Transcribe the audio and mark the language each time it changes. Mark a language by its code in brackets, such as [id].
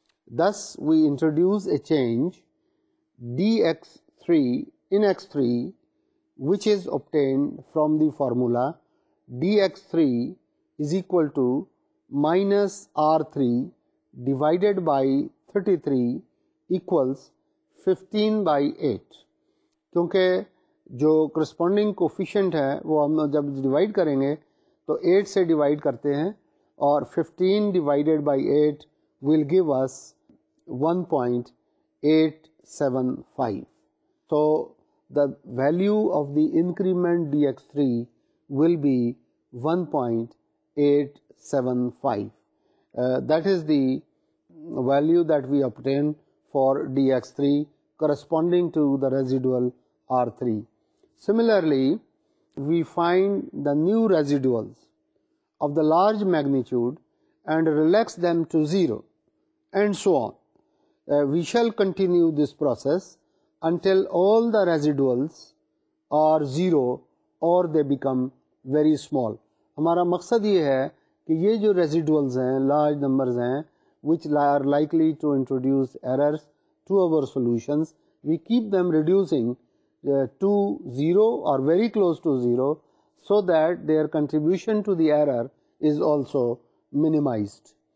[en] Thus we introduce a change dx3 in x3 which is obtained from the formula dx3 is equal to minus R3 divided by 33 equals 15/8. [ur] کیونکہ جو corresponding coefficient ہے وہ ہم جب divide کریں گے تو 8 سے ڈیوائڈ کرتے ہیں, اور 15/8 [en] will give us 1.875. So the value of the increment dx3 will be 1.875. That is the value that we obtained for dx3 corresponding to the residual R3. Similarly, we find the new residuals of the large magnitude and relax them to 0, and so on. We shall continue this process until all the residuals are 0 or they become very small. [ur] ہمارا مقصد یہ ہے کہ یہ جو ریزیڈولز ہیں, large numbers ہیں, [en] Which are likely to introduce errors to our solutions, we keep them reducing to 0 or very close to 0, so that their contribution to the error is also minimised.